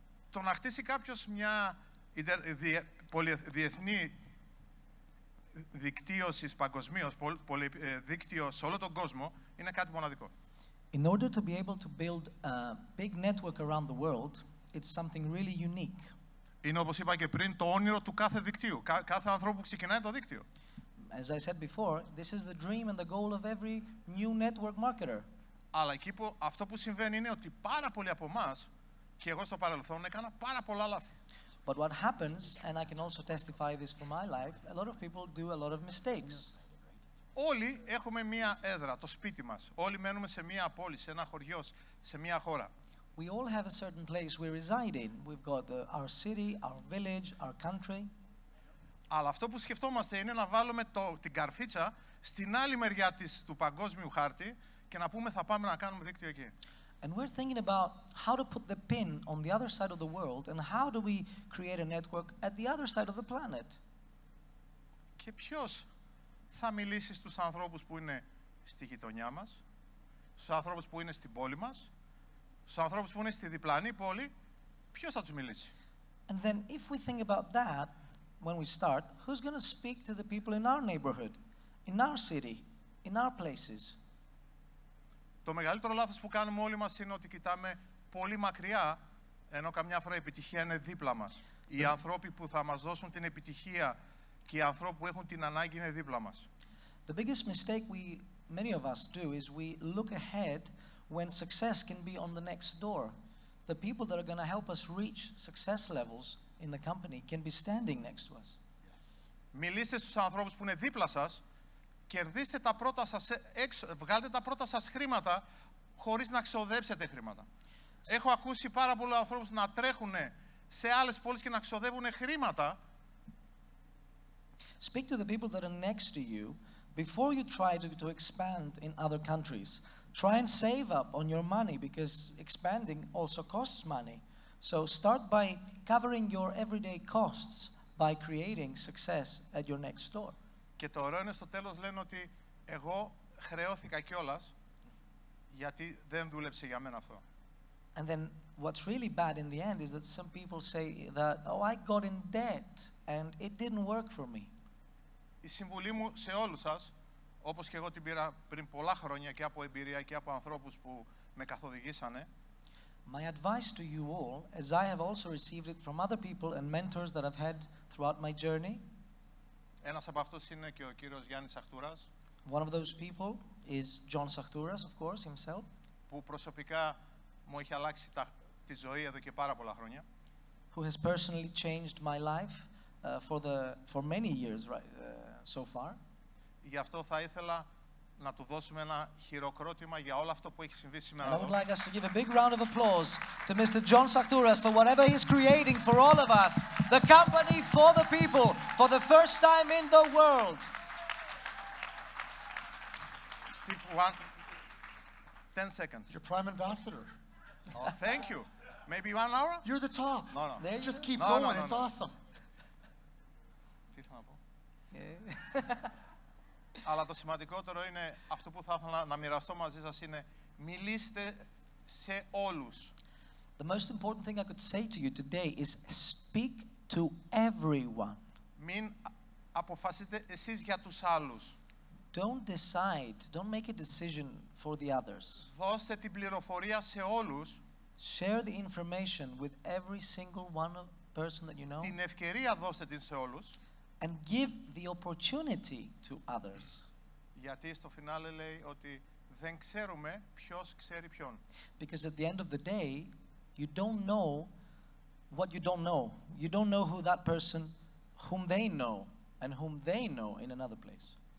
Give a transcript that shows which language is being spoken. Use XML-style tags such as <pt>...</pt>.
<el>Το να χτίσει κάποιος μια διεθνή δικτύωση παγκοσμίως, δίκτυο σε όλο τον κόσμο, είναι κάτι μοναδικό.</el> <en>In order to be able to build a big network around the world, it's something really unique.</en> <el>Είναι, όπως είπα και πριν, το όνειρο του κάθε δικτύου, κάθε ανθρώπου που ξεκινάει το δίκτυο.</el> <en>As I said before, this is the dream and the goal of every new network marketer.</en> <el>Αλλά εκεί που αυτό που συμβαίνει είναι ότι πάρα πολλοί από εμάς, και εγώ στο παρελθόν, έκανα πάρα πολλά λάθη.</el> <en>But what happens, and I can also testify this for my life, a lot of people do a lot of mistakes.</en> <el>Όλοι έχουμε μία έδρα, το σπίτι μας. Όλοι μένουμε σε μία πόλη, σε ένα χωριό, σε μία χώρα.</el> <en>We all have a certain place we reside in. We've got our city, our village, our country.</en> <el>Αλλά αυτό που σκεφτόμαστε είναι να βάλουμε την καρφίτσα στην άλλη μεριά του παγκόσμιου χάρτη και να πούμε θα πάμε να κάνουμε δίκτυο εκεί.</el> <en>And we're thinking about how to put the pin on the other side of the world and how do we create a network at the other side of the planet.</en> <el>Και ποιος θα μιλήσει στους ανθρώπους που είναι στη γειτονιά μας, στους ανθρώπους που είναι στην πόλη μας, στους ανθρώπους που είναι στη διπλανή πόλη, ποιος θα τους μιλήσει.</el> <en>And then if we think about that when we start, who's going to speak to the people in our neighborhood, in our city, in our places.</en> <el>Το μεγαλύτερο λάθος που κάνουμε όλοι μας είναι ότι κοιτάμε πολύ μακριά, ενώ καμιά φορά η επιτυχία είναι δίπλα μας. Οι ανθρώποι που θα μας δώσουν την επιτυχία και οι ανθρώποι που έχουν την ανάγκη είναι δίπλα μας.</el> <en>The biggest mistake we, many of us do is we look ahead when success can be on the next door. The people that are going to help us reach success levels in the company can be standing next to us.</en> <el>Μιλήστε στους ανθρώπους που είναι δίπλα σας. Κερδίστε τα πρώτα σας έξω, βγάλτε τα πρώτα σας χρήματα χωρίς να ξοδέψετε χρήματα. Έχω ακούσει πάρα πολλούς ανθρώπους να τρέχουν σε άλλες πόλεις και να ξοδεύουν χρήματα.</el> <en>Speak to the people that are next to you before you try to expand in other countries. Try and save up on your money because expanding also costs money. So start by covering your everyday costs by creating success at your next door.</en> <el>Και το ωραίο είναι στο τέλος λένε ότι εγώ χρεώθηκα κιόλας γιατί δεν δούλεψε για μένα αυτό.</el> <en>And then what's really bad in the end is that some people say that, oh, I got in debt and it didn't work for me.</en> <el>Η συμβουλή μου σε όλους σας, όπως και εγώ την πήρα πριν πολλά χρόνια και από εμπειρία και από ανθρώπους που με καθοδηγήσανε.</el> <en>My advice to you all, as I have also received it from other people and mentors that I've had throughout my journey.</en> <el>Ένας από αυτούς είναι και ο κύριος Γιάννης Σαχτούρας.</el> <en>One of those people is John Sakhturas, of course, himself.</en> <el>Που προσωπικά μου έχει αλλάξει τη ζωή εδώ και πάρα πολλά χρόνια.</el> <en>Who has personally changed my life for many years so far.</en> <el>Γι' αυτό θα ήθελα να του δώσουμε ένα χειροκρότημα για όλο αυτό που έχει συμβεί σήμερα.</el> <en>And I would like us to give a big round of applause to Mr. John Sakhturas for whatever he's creating for all of us, the company for the people, for the first time in the world. Steve, 10 seconds. Your prime ambassador. Oh, thank you. Maybe 1 hour? You're the top. No, no. There you just keep no, going. No, no, it's no. Awesome.</en> <el>Αλλά το σημαντικότερο είναι αυτό που θα ήθελα να μοιραστώ μαζί σας είναι μιλήστε σε όλους.</el> <en>The most important thing I could say to you today is speak to everyone.</en> <el>Μην αποφασίστε εσείς για τους άλλους.</el> <en>Don't decide, don't make a decision for the others.</en> <el>Δώστε την πληροφορία σε όλους.</el> <en>Share the information with every single one person that you know.</en> <el>Την ευκαιρία δώστε την σε όλους.</el> <en>And give the opportunity to others.</en> <el>Γιατί στο φινάλε λέει ότι δεν ξέρουμε ποιος ξέρει ποιον.</el> <en>Because at the end of the day, you don't know what you don't know. You don't know who that person, whom they know, and whom they know in another place.</en>